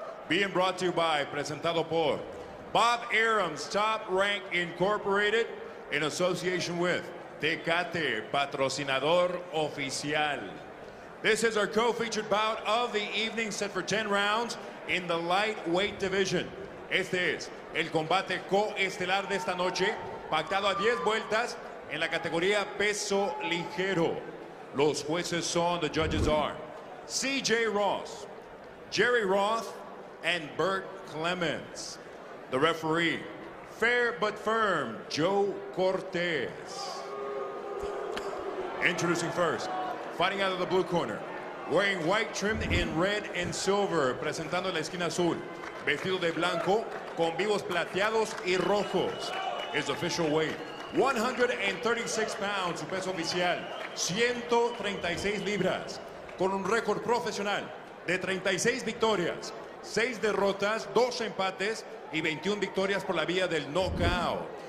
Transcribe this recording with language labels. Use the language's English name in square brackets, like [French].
[English] Being brought to you by, [Spanish] presentado por [English] Bob Arum's Top Rank Incorporated in association with Tecate, [Spanish] patrocinador oficial. [English] This is our co-featured bout of the evening, set for 10 rounds in the lightweight division. [Spanish] Este es el combate coestelar de esta noche, pactado a 10 vueltas en la categoría peso ligero. Los jueces son, [English] the judges are, CJ Ross, Jerry Roth, and Burt Clements. The referee, fair but firm, Joe Cortez. Introducing first, fighting out of the blue corner, wearing white trimmed in red and silver, [Spanish] presentando la esquina azul, vestido de blanco, con vivos plateados y rojos, [English] his official weight, 136 pounds, [Spanish] su peso oficial, 136 libras, con un récord profesional de 36 victorias, 6 derrotas, 2 empates y 21 victorias por la vía del knockout.